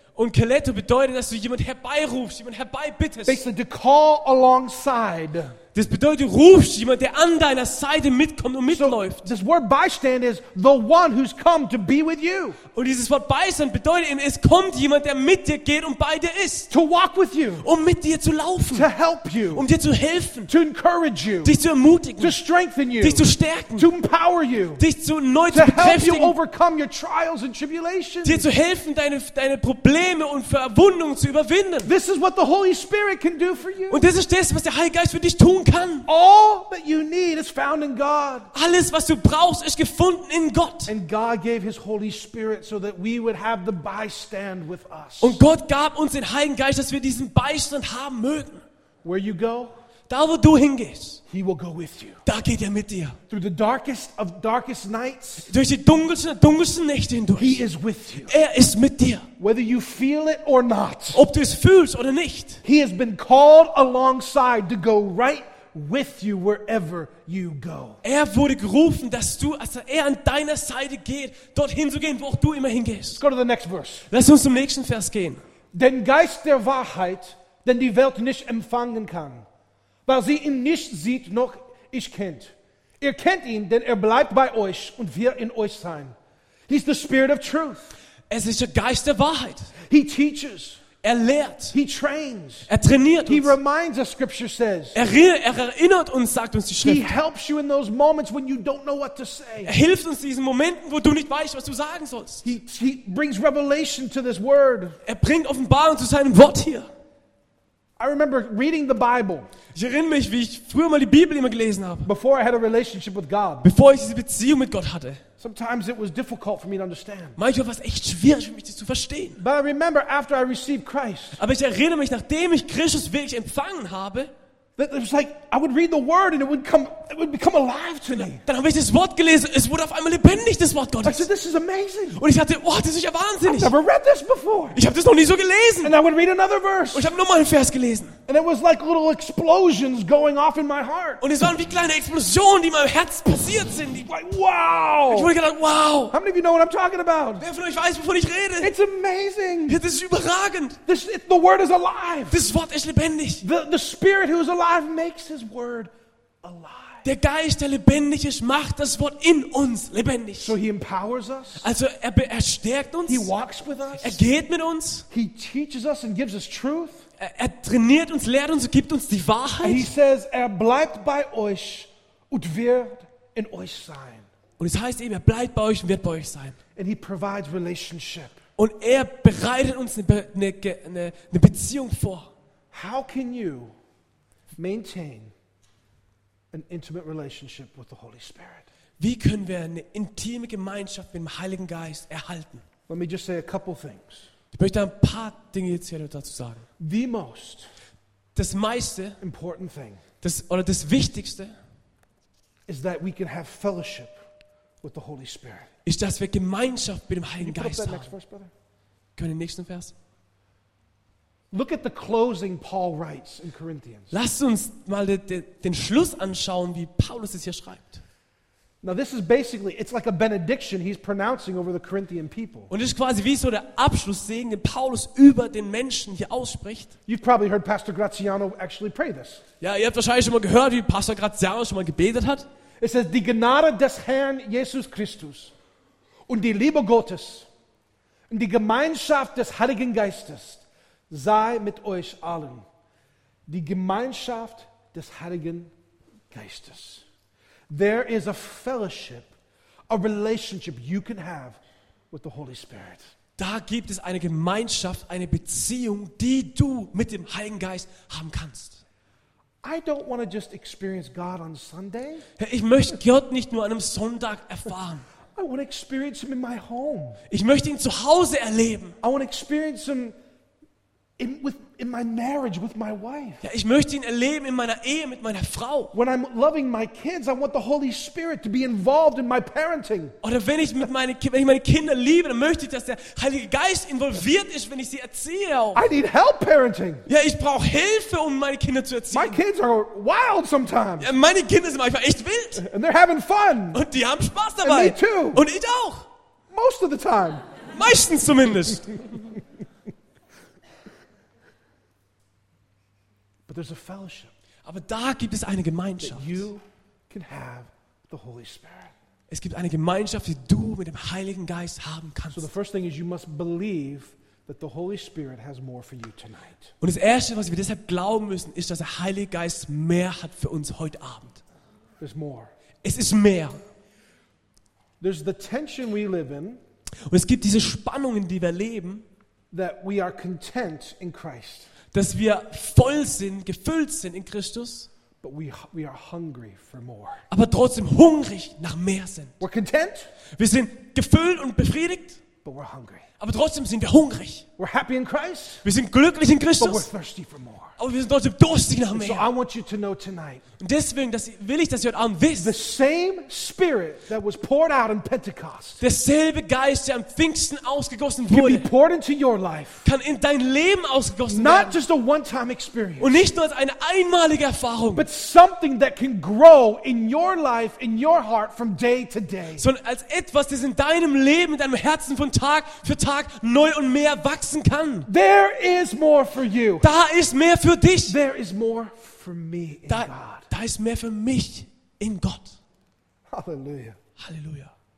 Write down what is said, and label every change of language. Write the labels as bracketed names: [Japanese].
[German] Und kleto bedeutet, dass du jemand herbeirufst, jemand herbeibittest. [English] Basically, to call alongside. [German] Das bedeutet, du rufst jemanden, der an deiner Seite mitkommt und mitläuft. [English] So, this word bystand is the one who's come to be with you. [German] Und dieses Wort bystand bedeutet eben, es kommt jemand, der mit dir geht und bei dir ist. [English] To walk with you. [German] Um mit dir zu laufen. [English] To help you. [German] Um dir zu helfen. [English] To encourage you. [German] Dich zu ermutigen. [English] To strengthen you. [German] Dich zu stärken. [English] To empower you. [German] Dich zu neu zu bekräftigen. [English] To help you overcome your trials and tribulations. [German] Dir zu helfen, deine Probleme und Verwundungen zu überwinden. [English] This is what the Holy Spirit can do for you. [German] Und das ist das, was der Heilige Geist für dich tun kann. [English] All that you need is found in God. [German] Alles, was du brauchst, ist gefunden in Gott. [English] And God gave His Holy Spirit so that we would have the bystand with us. [German] Und Gott gab uns den Heiligen Geist, dass wir diesen Beistand haben mögen. [English] Where you go, [German] da wo du hingehst, [English] He will go with you. [German] Da geht er mit dir. [English] Through the darkest of darkest nights, [German] durch die dunkelsten Nächte hindurch, [English] He is with you. [German] Er ist mit dir. [English] Whether you feel it or not, [German] ob du es fühlst oder nicht, [English] He has been called alongside to go right with you wherever you go. [German] Er wurde gerufen, dass du, also er an deiner Seite geht, dorthin zu gehen, wo auch du immer hingehst. [English] Let's go to the next verse. [German] Lass uns zum nächsten Vers gehen. Den Geist der Wahrheit, den die Welt nicht empfangen kann, weil sie ihn nicht sieht, noch ich kennt. Ihr kennt ihn, denn er bleibt bei euch und wird in euch sein. [English] He's the Spirit of Truth. [German] Es ist der Geist der Wahrheit. [English] He teaches. [German] Er lehrt. [English] He trains. [German] Er trainiert uns. [English] He reminds us, Scripture says. [German] Er erinnert uns, sagt uns die Schrift. [English] He helps you in those moments when you don't know what to say. [German] Er hilft uns in diesen Momenten, wo du nicht weißt, was du sagen sollst. [English] He brings revelation to this word. [German] Er bringt Offenbarung zu seinem Wort hier. [English] I remember reading the Bible. [German] Ich erinnere mich, wie ich früher mal die Bibel immer gelesen habe. [English] Before I had a relationship with God. [German] Bevor ich diese Beziehung mit Gott hatte. [English] Sometimes it was difficult for me to understand. [German] Manchmal war es echt schwierig für mich, das zu verstehen. [English] But I remember after I received Christ. [German] Aber ich erinnere mich, nachdem ich Christus wirklich empfangen habe, [English] that it was like I would read the Word and it would become alive to me. [German] Dann habe ich das Wort gelesen. Es wurde auf einmal lebendig, das Wort Gottes. [English] I said, this is amazing. [German] Und ich dachte, wow, das ist ja wahnsinnig. [English] I've never read this before. [German] Ich habe das noch nie so gelesen. [English] And I would read another verse. [German] Und ich habe nochmal einen Vers gelesen. [English] And it was like little explosions going off in my heart. [German] Und es waren wie kleine Explosionen, die in meinem Herz passiert sind. [English] Like, wow. [German] Ich wurde gedacht, wow. [English] How many of you know what I'm talking about? [German] Wer von euch weiß, wovon ich rede? [English] It's amazing. [German] Ja, das ist überragend. [English] The Word is alive. [German] Das Wort ist lebendig. [English] The Spirit who is alive. Life makes His Word alive. [German] Der Geist, der lebendig ist, macht das Wort in uns lebendig. [English] So He empowers us. [German] Also er stärkt uns. [English] He walks with us. [German] Er geht mit uns. [English] He teaches us and gives us truth. [German] Er trainiert uns, lehrt uns, gibt uns die Wahrheit. [English] And He says, [German] er bleibt bei euch und wird in euch sein. Und es heißt eben, er bleibt bei euch und wird bei euch sein. [English] And He provides relationship. [German] Und er bereitet uns eine Beziehung vor. [English] How can you maintain an intimate relationship with the Holy Spirit? [German] Wie können wir eine intime Gemeinschaft mit dem Heiligen Geist erhalten? [English] Let me just say a couple things. [German] Ich möchte ein paar Dinge jetzt hier dazu sagen. [English] The most, [German] das meiste, [English] important thing, [German] das oder das Wichtigste, [English] is that we can have fellowship with the Holy Spirit. [German] Ist, dass wir Gemeinschaft mit dem Heiligen Geist haben. [English] Next verse, brother? [German] Können wir den nächsten Vers? [English] Look at the closing Paul writes in Corinthians. [German] Lasst uns mal den Schluss anschauen, wie Paulus es hier schreibt. [English] Now this is basically, it's like a benediction he's pronouncing over the Corinthian people. [German] Und es ist quasi wie so der Abschlusssegen, den Paulus über den Menschen hier ausspricht. [English] You've probably heard Pastor Graziano actually pray this. [German] Ja, ihr habt wahrscheinlich schon mal gehört, wie Pastor Graziano schon mal gebetet hat. [English] It says, [German] die Gnade des Herrn Jesus Christus und die Liebe Gottes und die Gemeinschaft des Heiligen Geistes sei mit euch allen. Die Gemeinschaft des Heiligen Geistes. [English] There is a fellowship, a relationship you can have with the Holy Spirit. [German] Da gibt es eine Gemeinschaft, eine Beziehung, die du mit dem Heiligen Geist haben kannst. [English] I don't want to just experience God on Sunday. [German] Ich möchte Gott nicht nur an einem Sonntag erfahren. [English] I want to experience Him in my home. [German] Ich möchte ihn zu Hause erleben. [English] I want to experience Him in my marriage with my wife. [German] Ja, ich möchte ihn erleben in meiner Ehe mit meiner Frau. [English] When I'm loving my kids, I want the Holy Spirit to be involved in my parenting. [German] Oder wenn ich meine Kinder liebe, dann möchte ich, dass der Heilige Geist involviert ist, wenn ich sie erziehe. Auch. [English] I need help parenting. [German] Ja, ich brauche Hilfe, um meine Kinder zu erziehen. [English] My kids are wild sometimes. [German] Ja, meine Kinder sind manchmal echt wild. [English] And they're having fun. [German] Und die haben Spaß dabei. [English] And me too. [German] Und ich auch. [English] Most of the time. [German] Meistens zumindest. [English] There's a fellowship. [German] Aber da gibt es eine Gemeinschaft. [English] You can have the Holy Spirit. [German] Es gibt eine Gemeinschaft, die du mit dem Heiligen Geist haben kannst. [English] So the first thing is you must believe that the Holy Spirit has more for you tonight. [German] Und das erste, was wir deshalb glauben müssen, ist, dass der Heilige Geist mehr hat für uns heute Abend. [English] There's more. [German] Es ist mehr. [English] There's the tension we live in. [German] Und es gibt diese Spannungen, die wir leben. [English] That we are content in Christ. [German] Dass wir voll sind, gefüllt sind in Christus. [English] But we are hungry for more. [German] Aber trotzdem hungrig nach mehr sind. [English] We're content. [German] Wir sind gefüllt und befriedigt. [English] But we're hungry. [German] Aber trotzdem sind wir hungrig. [English] We're happy in Christ. [German] Wir sind glücklich in Christus. [English] But we're thirsty for more. [German] Aber wir sind trotzdem durstig nach mehr. [English] So I want you to know tonight, [German] und deswegen will ich, dass ihr heute Abend wisst, [English] the same spirit that was poured out in Pentecost, [German] derselbe Geist, der am Pfingsten ausgegossen wurde, [English] can be poured into your life, [German] kann in dein Leben ausgegossen [English] not [German] werden. [English] Just a one-time experience, [German] und nicht nur als eine einmalige Erfahrung, [English] but something that can grow in your life, in your heart, from day to day. [German] Sondern als etwas, das in deinem Leben, in deinem Herzen von Tag für Tag neu und mehr wachsen kann. [English] There is more for you. [German] Da ist mehr für dich. [English] There is more for me in God. [German] Da ist mehr für mich in Gott. [English] Hallelujah. [German] Hallelujah.